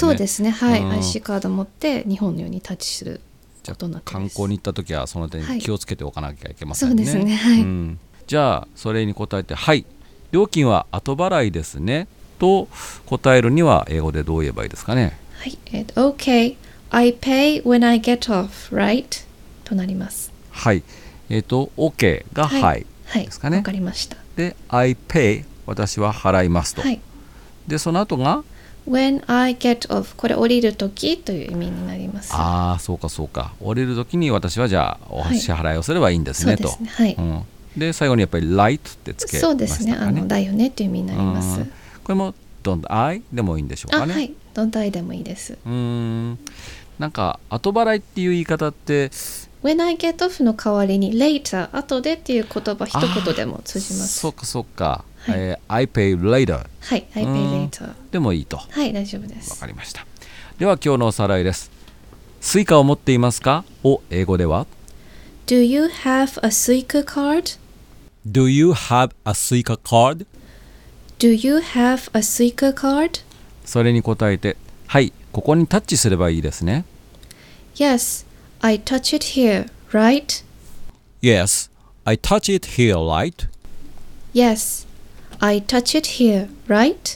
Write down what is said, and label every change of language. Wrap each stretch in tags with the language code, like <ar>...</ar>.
<ja>そうですね、はい、IC カード持って日本のようにタッチする。観光に行ったときはその点気をつけておかなきゃいけませんね。はい、そうですね、はい、じゃあそれに答えて、はい、料金は後払いですねと答えるには英語でどう言えばいいですかね。</ja> <en>はい、OK, I pay when I get off, right?</en> <ja>となります。はい、OK がはいですかね。はい、わかりました。で、</ja> <en>I pay、</en> <ja>私は払いますと。はい、でその後が</ja> <en>When I get off、</en> <ja>これ降りるときという意味になります。ああ、そうかそうか、降りるときに私はじゃあお支払いをすればいいんですね、はい、と。そうですね、はい、で最後にやっぱり light ってつけましたかね。そうですね、だよねという意味になります。これも</ja> <en>don't I</en> <ja>でもいいんでしょうかね。あ、はい、</ja> <en>don't I</en> <ja>でもいいです。なんか後払いっていう言い方って、</ja> <en>When I get off</en> <ja>の代わりに later、 後でっていう言葉一言でも通じます。</ja> <en>そうかそうか、はい、I pay later。はい、I pay later</en> <ja>でもいいと。はい、大丈夫です。わかりました。では今日のおさらいです。スイカを持っていますかを英語では、</ja> <en>Do you have a Suica card? Do you have a Suica card? Do you have a Suica card?</en> <ja>それに答えて、はい、ここにタッチすればいいですね。</ja> <en>YesI touch it here, right? Yes, I touch it here, right? Yes, I touch it here, right?</en>